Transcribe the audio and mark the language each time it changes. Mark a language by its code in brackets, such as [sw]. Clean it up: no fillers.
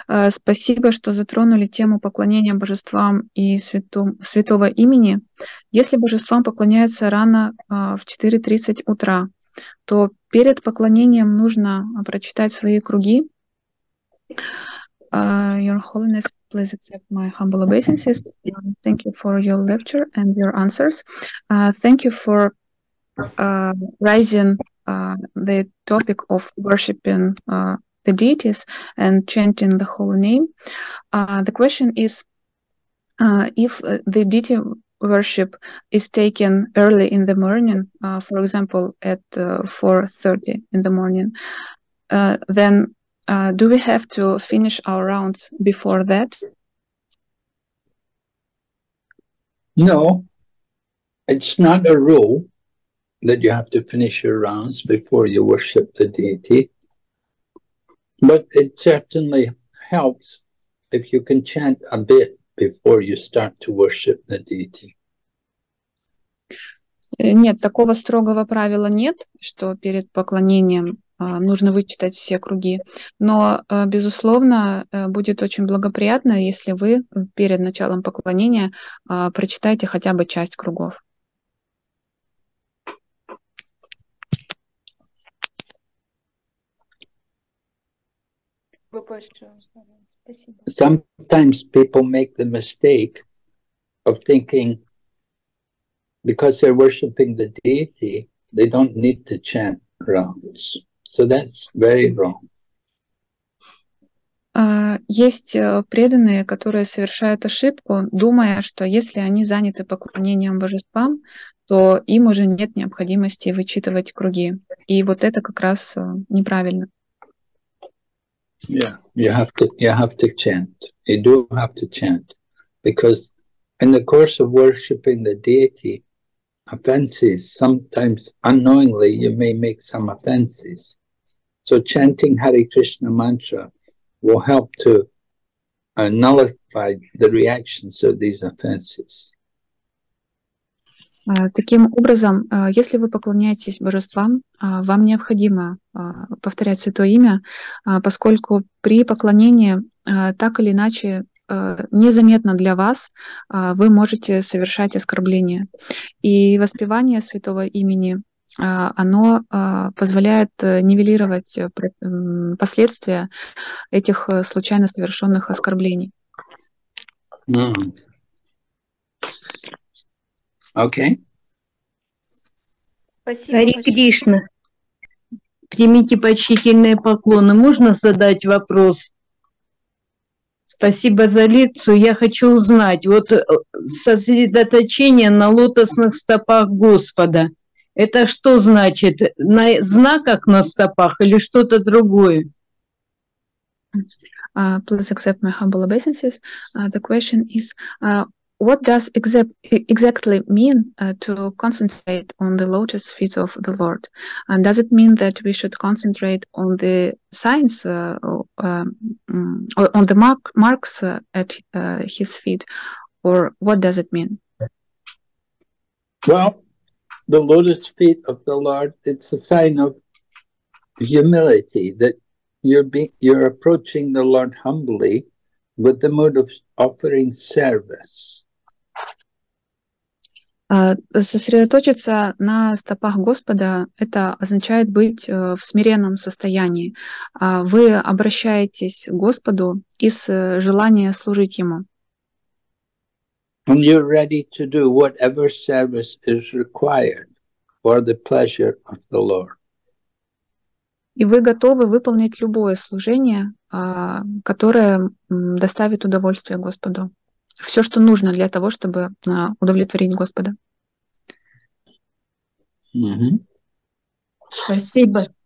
[ru] Спасибо, что затронули тему поклонения божествам и святого имени. Если божествам поклоняются рано в 4:30 утра, то перед поклонением нужно прочитать свои круги. [en] Your Holiness, please accept my humble obeisances. Thank you for your lecture and your answers. Thank you for rising the topic of worshiping the deities and chanting the holy name. The question is, if the deity worship is taken early in the morning, for example, at 4:30 in the morning, then do we have to finish our rounds before that? No, it's not a rule that you have to finish your rounds before you worship the deity. But it certainly helps if you can chant a bit before you start to worship the deity. [ru] Нет, такого строгого правила нет, что перед поклонением нужно вычитать все круги. Но, безусловно, будет очень благоприятно, если вы перед началом поклонения прочитаете хотя бы часть кругов. [en] Sometimes people make the mistake of thinking because they're worshiping the deity, they don't need to chant rounds. So that's very wrong. [ru] Есть преданные, которые совершают ошибку, думая, что если они заняты поклонением божествам, то им уже нет необходимости вычитывать круги. И вот это как раз неправильно. [en] Yeah, you have to chant. You do have to chant, because in the course of worshiping the deity, offenses sometimes unknowingly you may make some offenses. So chanting Hare Krishna mantra will help to nullify the reactions of these offenses. [ru] Таким образом, если вы поклоняетесь божествам, вам необходимо повторять святое имя, поскольку при поклонении так или иначе незаметно для вас вы можете совершать оскорбление. И воспевание святого имени оно позволяет нивелировать последствия этих случайно совершенных оскорблений. Окей. Спасибо. Хари Кришна, примите почтительные поклоны. Можно задать вопрос? Спасибо за лекцию. Я хочу узнать, вот сосредоточение на лотосных стопах Господа, это что значит? На знаках на стопах или что-то другое? [en] Please accept my humble obeisances. The question is, what does exactly mean to concentrate on the lotus feet of the Lord? And does it mean that we should concentrate on the signs, on the marks at his feet, or what does it mean? Well, the lotus feet of the Lord, it's a sign of humility, that you're approaching the Lord humbly with the mood of offering service. [ru] Сосредоточиться на стопах Господа — это означает быть в смиренном состоянии. Вы обращаетесь к Господу из желания служить Ему. [en] And you're ready to do whatever service is required for the pleasure of the Lord. [ru] И вы готовы выполнить любое служение, которое доставит удовольствие Господу. Все, что нужно для того, чтобы удовлетворить Господа. Mm-hmm. Спасибо.